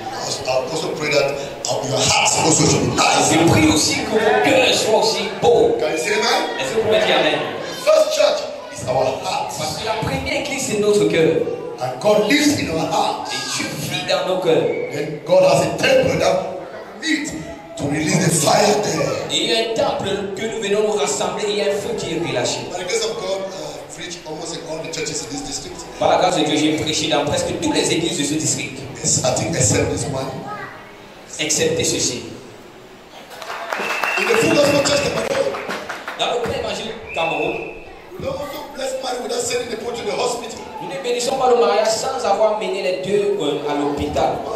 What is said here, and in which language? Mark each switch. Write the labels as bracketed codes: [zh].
[fr] Je prie aussi que vos cœurs soient aussi beaux. Est-ce que vous pouvez dire amen? Parce que la première église c'est notre cœur. [en] And God lives in our hearts. [fr] Et Dieu vit dans nos cœurs. [en] Then God has a temple that we need to release the fire there. [fr] Et il y a un temple que nous venons nous rassembler et il y a un feu qui est relâché. [en] By the grace of God, preach almost in all the churches in this district. [fr] Par la grâce de Dieu, j'ai prêché dans presque toutes les églises de ce district. [en] Except this one. Except ceci. In the full gospel church of Cameroon. [fr] Dans le plein évangile Cameroun. Nous ne bénissons pas le mariage sans avoir mené les deux à l'hôpital.